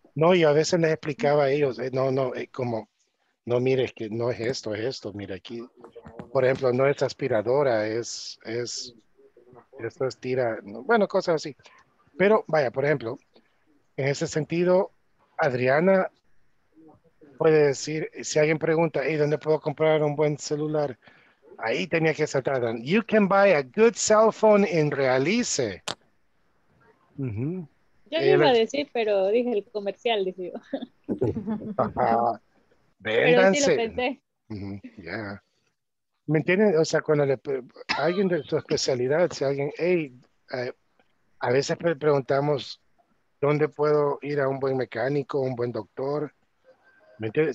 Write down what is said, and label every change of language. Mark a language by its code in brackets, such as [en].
[es] No, yo a veces les explicaba a ellos, como, no mire, que no es esto, es esto, mire aquí. Por ejemplo, no es aspiradora, es esto estira, bueno, cosas así. Pero vaya, por ejemplo, en ese sentido, Adriana puede decir, si alguien pregunta, hey, ¿dónde puedo comprar un buen celular? Ahí tenía que saltar. [en] You can buy a good cell phone in Realice. Uh-huh. [es] Yo iba a decir, pero dije el comercial, dije yo. Véndanse. Pero sí lo pensé. Uh-huh. Ya. Yeah. ¿Me entienden? O sea, cuando le alguien de su especialidad, si alguien, hey, a veces preguntamos, ¿dónde puedo ir a un buen mecánico, un buen doctor? ¿Me entienden?